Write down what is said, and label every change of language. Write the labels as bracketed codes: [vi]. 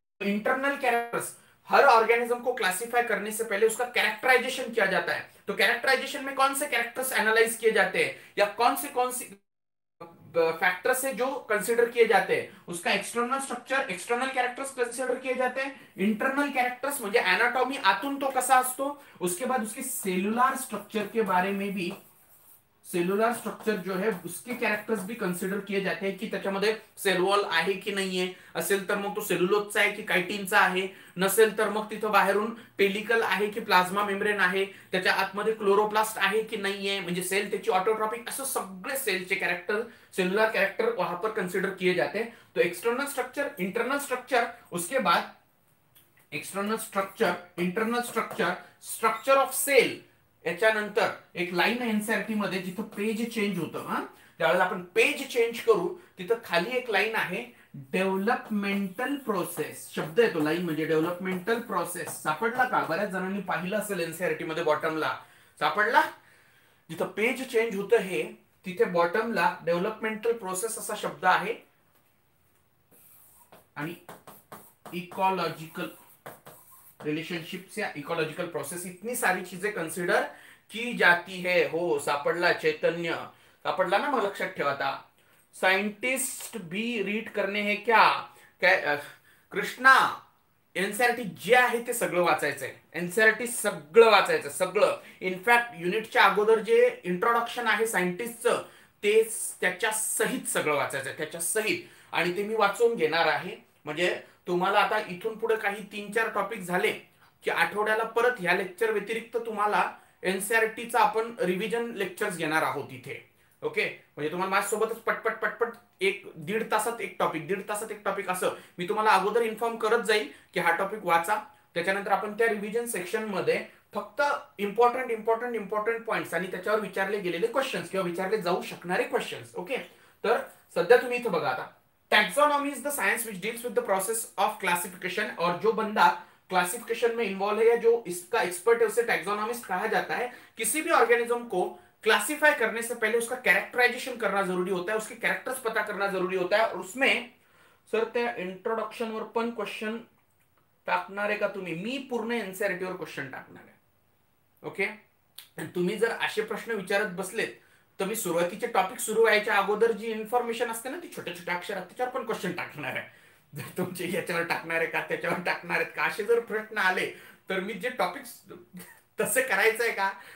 [hi] Internal characters हर organism को classify करने से पहले उसका कैरेक्टराइजेशन किया जाता है. तो कैरेक्टराइजेशन में कौन से कैरेक्टर्स एनालाइज किए जाते हैं या कौन से फैक्टर्स से जो कंसिडर किए जाते हैं, उसका external structure, external characters consider किए जाते हैं. [mr] इंटरनल कैरेक्टर्स म्हणजे एनाटॉमी, आतून तो कसा असतो. [hi] उसके बाद उसके सेल्युलर स्ट्रक्चर के बारे में भी, सेल्युलर स्ट्रक्चर जो है उसके कैरेक्टर्स भी कंसिडर किए जाते हैं कि [mr] त्याच्यामध्ये सेल वॉल आहे की नाही आहे. असेल तर मग तो सेल्युलोजचा आहे की कायटिनचा आहे. नसेल तर मग तिथं बाहेरून पेलिकल आहे की प्लाझ्मा मेम्ब्रेन आहे. त्याच्या आतमध्ये क्लोरोप्लास्ट आहे की नाही आहे, म्हणजे सेल त्याची ऑटोट्रॉपिक. असं सगळे सेलचे [hi] कॅरेक्टर, सेल्युलर कॅरेक्टर वहां पर कन्सिडर किए जाते. [en] तो external structure, internal structure, उसके बाद external structure, internal structure, structure of cell. [mr] याच्यानंतर एक लाईन आहे एनसीईआरटी मध्ये जिथं पेज चेंज होतं, हा ज्यावेळेला आपण पेज चेंज करू तिथं खाली एक लाईन आहे, डेव्हलपमेंटल प्रोसेस. शब्द येतो लाईन म्हणजे डेव्हलपमेंटल प्रोसेस. सापडला का? बऱ्याच जणांनी पाहिलं असेल एनसीईआरटी मध्ये बॉटमला. सापडला? जिथं पेज चेंज होतं हे, तिथे बॉटमला डेव्हलपमेंटल प्रोसेस असा शब्द आहे. [hi] आणि इकॉलॉजिकल रिलेशनशिप्स या इकोलॉजिकल प्रोसेस, इतनी सारी चीजें कंसिडर की जाती है. [mr] हो सापडला चैतन्य, सापडला ना, मग लक्षात ठेवा. साइंटिस्ट भी रीड करणे हे क्या कृष्णा, एनसीईआरटी जे आहे ते सगळं वाचायचंय. एनसीईआरटी सगळं वाचायचं, सगळं. इनफॅक्ट युनिटच्या अगोदर जे इंट्रोडक्शन आहे सायंटिस्टचं ते त्याच्या सहित सगळं वाचायचं, त्याच्या सहित. आणि ते मी वाचून घेणार आहे. म्हणजे तुम्हाला आता इथून पुढे काही तीन चार टॉपिक झाले की आठवड्याला परत ह्या लेक्चर व्यतिरिक्त तुम्हाला एनसीईआरटीचा आपण रिव्हिजन लेक्चर्स घेणार आहोत इथे. ओके, म्हणजे तुम्हाला माझ्यासोबतच पटपट पटपट एक दीड तासात एक टॉपिक, दीड तासात एक टॉपिक, असं मी तुम्हाला अगोदर इन्फॉर्म करत जाईल की हा टॉपिक वाचा. त्याच्यानंतर आपण त्या रिव्हिजन सेक्शनमध्ये फक्त इम्पॉर्टंट इम्पॉर्टंट इम्पॉर्टंट पॉईंट आणि त्याच्यावर विचारले गेलेले क्वेश्चन्स किंवा विचारले जाऊ शकणारे क्वेश्चन्स. ओके, तर सध्या तुम्ही इथं बघा. [en] आता taxonomy is the science which deals with the process of classification. [hi] और जो बंदा क्लासिफिकेशन में इन्वॉल्व है या जो इसका एक्सपर्ट है उसे टैक्सोनॉमिस्ट कहा जाता है. किसी भी ऑर्गेनिज्म को क्लासिफाई करने से पहले उसका कैरेक्टराइजेशन करना जरूरी होता है, उसके कैरेक्टर्स पता करना जरूरी होता है. और उसमें [mr] सर त्या इंट्रोडक्शन वर पण क्वेश्चन टाकणार आहे का तुम्ही? मी पूर्ण एनसीईआरटी वर क्वेश्चन टाकणार आहे. ओके, तुम्ही जर असे प्रश्न विचारत बसलेत तर मी सुरुवातीचे टॉपिक सुरू व्हायच्या अगोदर जी इन्फॉर्मेशन असते ना ती छोट्या छोट्या अक्षरात त्याच्यावर पण क्वेश्चन टाकणार आहे. तुमचे याच्यावर टाकणार आहे का, त्याच्यावर टाकणार आहेत का, असे जर प्रश्न आले तर मी जे टॉपिक तसे करायचं आहे का,